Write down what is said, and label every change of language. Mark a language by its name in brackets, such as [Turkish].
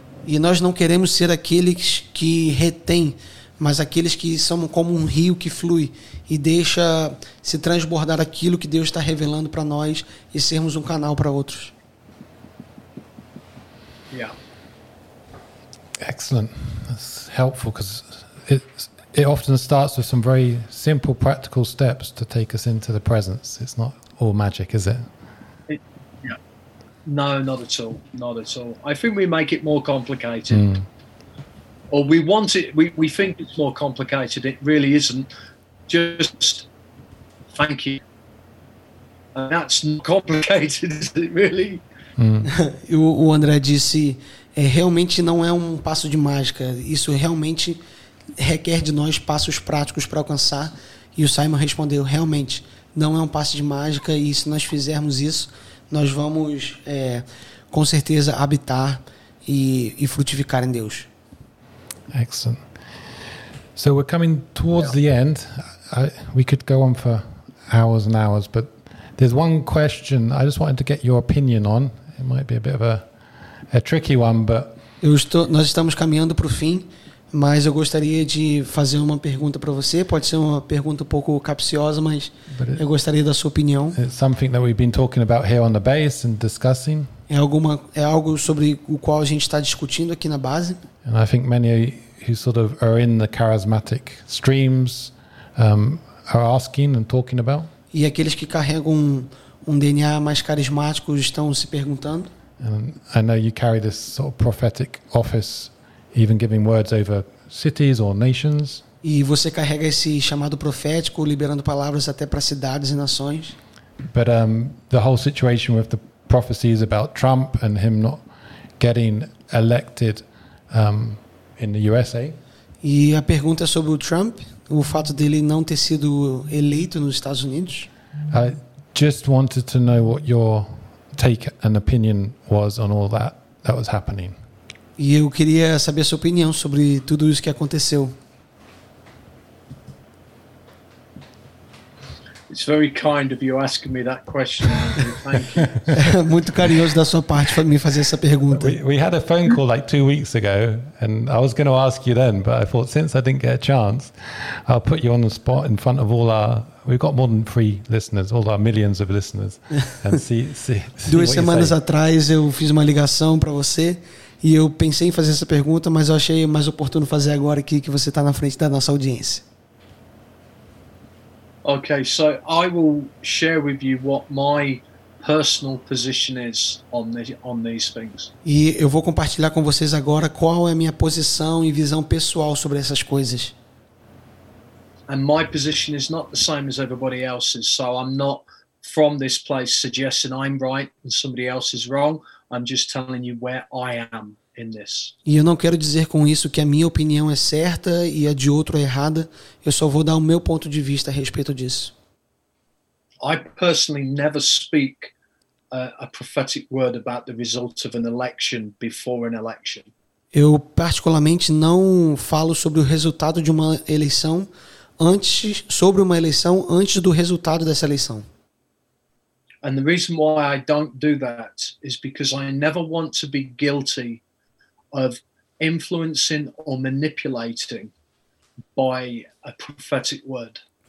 [Portuguese] E nós não queremos ser aqueles que retém, mas aqueles que são como um rio que flui e deixa se transbordar aquilo que Deus está revelando para nós e sermos um canal para outros. [English] Yeah. Excellent. That's helpful because it often starts with some very simple practical steps to take us into the presence. It's not all magic, is it? No, not at all. Not at all. I think we make it more complicated. Mm. Or we want it, we think it's more complicated. It really isn't. Just thank you. And that's not complicated, is it really? Mm. [Portuguese] O André disse, realmente não é um passo de mágica. Isso realmente requer de nós passos práticos para alcançar. E o Simon respondeu, realmente, não é um passo de mágica. E se nós fizermos isso, nós vamos, com certeza, habitar e frutificar em Deus. [English] Excellent. So we're coming towards the end. We could go on for hours and hours, but there's one question I just wanted to get your opinion on. It might be a bit of a tricky one, but... [Portuguese] Nós estamos caminhando para o fim, mas eu gostaria de fazer uma pergunta para você. Pode ser uma pergunta um pouco capciosa, mas eu gostaria da sua opinião. [English] It's something that we've been talking about here on the base and discussing. [Portuguese] É algo sobre o qual a gente está discutindo aqui na base. [English] And I think many who sort of are in the charismatic streams are asking and talking about. [Portuguese] E aqueles que carregam um DNA mais carismático estão se perguntando. [English] And I know you carry this sort of prophetic office, even giving words over cities or nations. [Portuguese] E você carrega esse chamado profético, liberando palavras até para cidades e nações. [English] But the whole situation with the prophecies about Trump and him not getting elected in the USA. [Portuguese] E a pergunta é sobre o Trump, o fato dele não ter sido eleito nos Estados Unidos. [English] I just wanted to know what your take and opinion was on all that was happening. [Portuguese] E eu queria saber a sua opinião sobre tudo isso que aconteceu. [English] It's very kind of you asking me that question. Thank you. [Portuguese] Muito carinhoso da sua parte para me fazer essa pergunta. [English] We had a phone call like 2 weeks ago, and I was going to ask you then, but I thought since I didn't get a chance, I'll put you on the spot in front of all our. We've got more than 3 listeners, all our millions of listeners, and see. [Portuguese] Duas semanas atrás eu fiz uma ligação para você e eu pensei em fazer essa pergunta, mas eu achei mais oportuno fazer agora aqui que você está na frente da nossa audiência. [English] Okay, so I will share with you what my personal position is on these things. [Portuguese] E eu vou compartilhar com vocês agora qual é a minha posição e visão pessoal sobre essas coisas. [English] And my position is not the same as everybody else's, so I'm not from this place suggesting I'm right and somebody else is wrong. I'm just telling you where I am in this. [Portuguese] E eu não quero dizer com isso que a minha opinião é certa e a de outro é errada. Eu só vou dar o meu ponto de vista a respeito disso. [English] I personally never speak a prophetic word about the result of an election before an election. [Portuguese] Eu particularmente não falo sobre o resultado de uma eleição antes, sobre uma eleição antes do resultado dessa eleição. [English] And the reason why I don't do that is because I never want to be guilty of influencing or manipulating by a prophetic word.